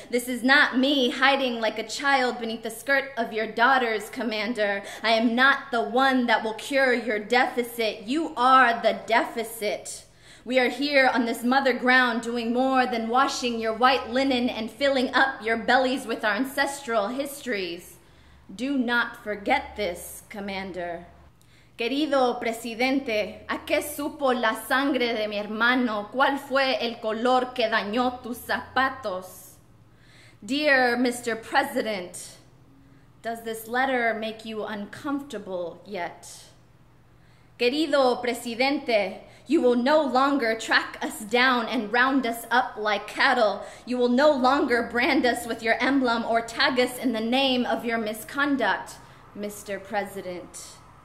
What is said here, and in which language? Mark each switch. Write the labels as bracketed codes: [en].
[en] This is not me hiding like a child beneath the skirt of your daughters, Commander. I am not the one that will cure your deficit. You are the deficit. We are here on this mother ground doing more than washing your white linen and filling up your bellies with our ancestral histories. Do not forget this, Commander. [es] Querido Presidente, ¿a qué supo la sangre de mi hermano? ¿Cuál fue el color que dañó tus zapatos? [en] Dear Mr. President, does this letter make you uncomfortable yet? [es] Querido Presidente, [en] you will no longer track us down and round us up like cattle. You will no longer brand us with your emblem or tag us in the name of your misconduct, Mr. President.